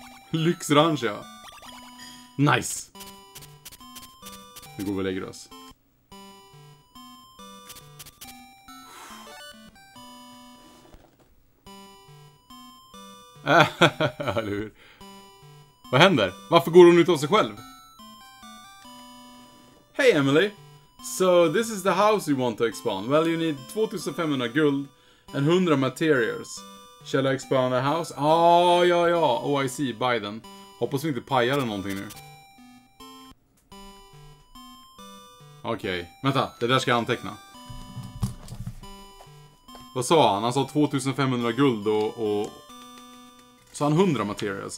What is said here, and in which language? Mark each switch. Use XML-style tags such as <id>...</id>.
<sv>Lyxranch, ja. Nice. Nu går vi och lägger oss. Eller hur? Vad händer? Varför går hon ut av sig själv?</sv> <en>Hey Emily. So this is the house you want to expand. Well, you need 2500 guld and 100 materials. Shall I expand the house? Ja. Oh, I see. Buy them.</en> <sv>Hoppas vi inte pajar någonting nu. Okej. Okay. Vänta, det där ska jag anteckna. Vad sa han? Han sa 2500 guld och... Sa han 100 materials?</sv>